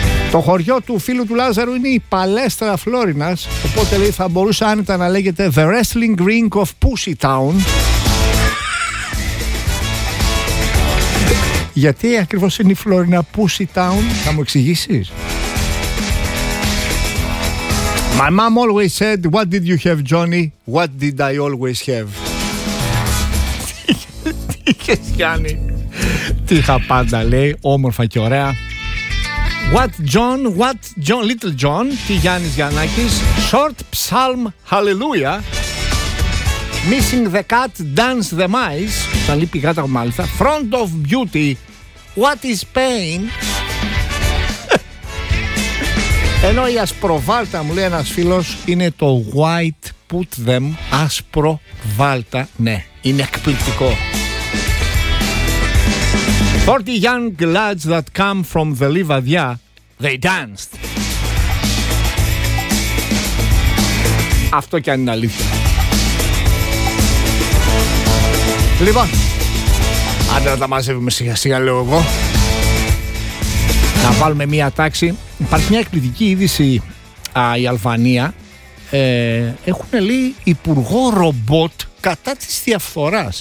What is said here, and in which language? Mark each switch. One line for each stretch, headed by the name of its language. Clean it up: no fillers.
Greek: Το χωριό του φίλου του Λάζαρου είναι η Παλέστρα Φλόρινας. Οπότε λέει θα μπορούσε άνετα να λέγεται
English: The Wrestling Ring of Pussy Town.
Greek: Γιατί ακριβώς είναι η Φλόρινα
English: Pussy Town,
Greek: θα μου εξηγήσεις.
English: My mom always said, what did you have, Johnny? What did I always have?
Greek: Τι είχες, Γιάννη? Τι είχα πάντα, λέει, όμορφα και ωραία.
English: What John, little John,
Greek: τι Γιάννης Γιαννάκης,
English: short psalm, hallelujah. Missing the cat, dance the mice.
Greek: Θα λείπει η γάτα, μάλιστα.
English: Front of beauty, what is pain?
Greek: Ενώ η ασπροβάλτα, μου λέει ένας φίλος, είναι το
English: white put them.
Greek: Ασπροβάλτα, ναι, είναι εκπληκτικό.
English: 40 young lads that come from the Livadia, they danced.
Greek: Αυτό κι αν είναι αλήθεια. Λοιπόν, άντε να τα μαζεύουμε σιγά σιγά, λέω εγώ. Να βάλουμε μία τάξη. Υπάρχει μια εκπληκτική είδηση. Η Αλβανία έχουν, λέει, υπουργό ρομπότ κατά της διαφθοράς.